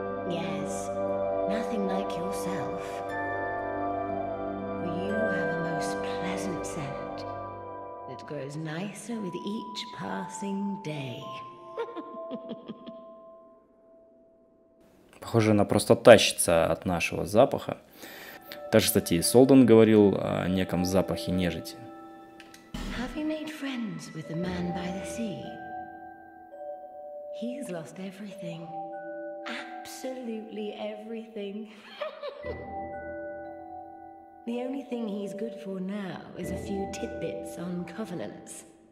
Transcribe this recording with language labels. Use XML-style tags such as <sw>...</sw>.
<en>Yes, nothing like yourself. You have a most pleasant scent that grows nicer with each passing day.</en> <ru>Похоже, она просто тащится от нашего запаха. Также, кстати, и Солдон говорил о неком запахе нежити.</ru> <en>Have you made friends with the man by the sea? He's lost everything. Absolutely everything. The only thing he's good for now is a few tidbits on covenants.</en>